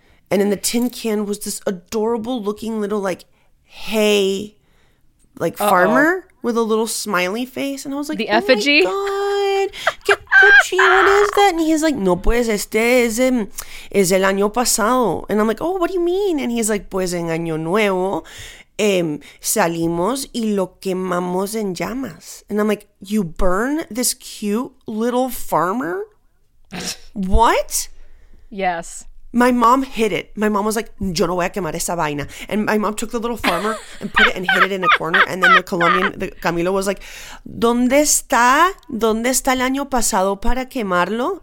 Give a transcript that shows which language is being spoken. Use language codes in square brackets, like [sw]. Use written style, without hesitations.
[en] And in the tin can was this adorable looking little like hay, like farmer with a little smiley face. And I was like, the effigy. Oh my God. [es] Qué cuchi, [en] what is that? And he's like, no, [es] pues este es el año pasado. [en] And I'm like, oh, what do you mean? And he's like, [es] pues en año nuevo salimos y lo quemamos en llamas. [en] And I'm like, you burn this cute little farmer? What? Yes. My mom hid it. My mom was like, [es] yo no voy a quemar esa vaina. [en] And my mom took the little farmer and put it and hid it in a corner. And then the Colombian, the Camilo was like, [es] ¿Dónde está el año pasado para quemarlo?